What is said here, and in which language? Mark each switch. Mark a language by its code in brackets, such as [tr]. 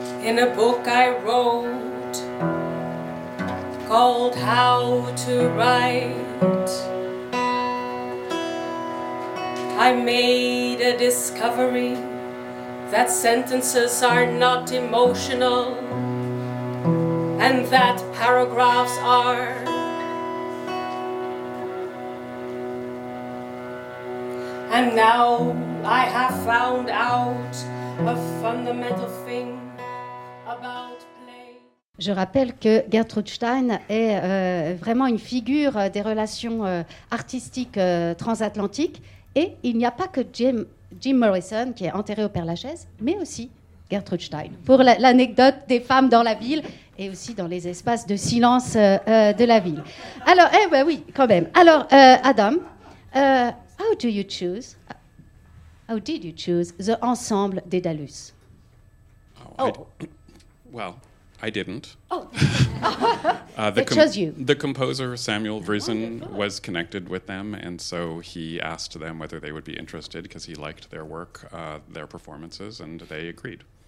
[en] In a book I wrote called How to Write, I made a discovery that sentences are not emotional, and that paragraphs are. And now I have found out a fundamental thing about play. [fr] Je rappelle que Gertrude Stein est vraiment une figure des relations artistiques transatlantiques, et il n'y a pas que Jim Morrison qui est enterré au Père-Lachaise, mais aussi Gertrude Stein. Pour l'anecdote des femmes dans la ville et aussi dans les espaces de silence de la ville. Alors, oui, quand même. [en] Alors, Adam, how did you choose the ensemble Daedalus? I didn't. Oh, chose you. The composer, Samuel Vrieson, was connected with them, and so he asked them whether they would be interested because he liked their work, their performances, and they agreed.